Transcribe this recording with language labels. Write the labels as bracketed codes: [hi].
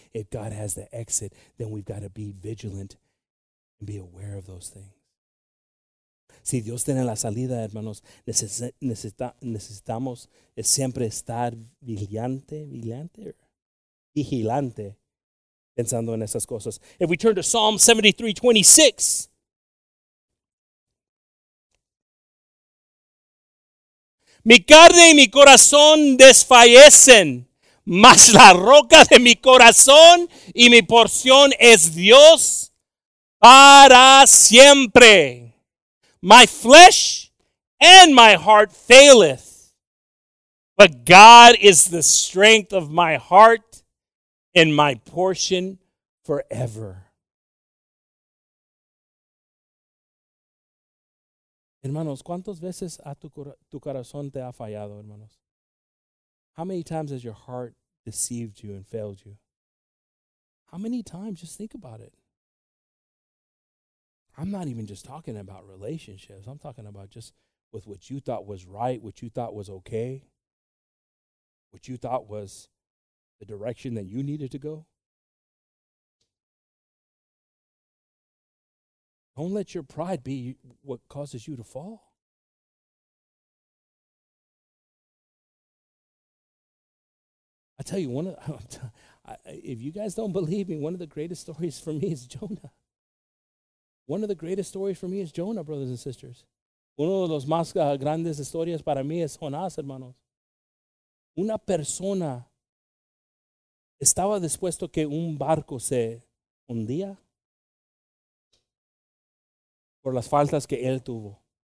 [en] If God has the exit, then we've got to be vigilant and be aware of those things. [es] Si Dios tiene la salida, hermanos, necesitamos siempre estar vigilante, pensando en esas cosas. [en] If we turn to Psalm 73:26. [es] Mi carne y mi corazón desfallecen, mas la roca de mi corazón y mi porción es Dios para siempre. [en] My flesh and my heart faileth, but God is the strength of my heart and my portion forever. [es] Hermanos, ¿cuántas veces tu corazón te ha fallado, hermanos? [en] How many times has your heart deceived you and failed you? How many times? Just think about it. I'm not even just talking about relationships. I'm talking about just with what you thought was right, what you thought was okay, what you thought was the direction that you needed to go. Don't let your pride be what causes you to fall. I tell you, If you guys don't believe me, one of the greatest stories for me is Jonah. One of the greatest stories for me is Jonah, brothers and sisters. [es] Uno de los más grandes historias para mí es Jonás, hermanos. Una persona estaba dispuesto que un barco se hundía por las faltas que él tuvo.